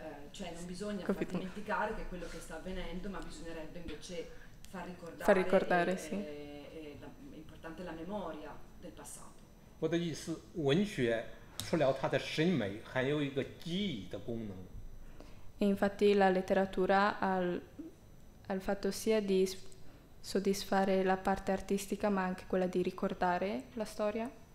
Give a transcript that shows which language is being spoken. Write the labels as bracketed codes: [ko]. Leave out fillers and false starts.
[it] Cioè non bisogna far dimenticare che quello che sta avvenendo, ma bisognerebbe invece far ricordare. È importante la memoria del passato. [zh] 我的意思，文学除了它的审美，还有一个记忆的功能。 [it] E infatti la letteratura al fatto sia di soddisfare la parte artistica, ma anche quella di ricordare la storia.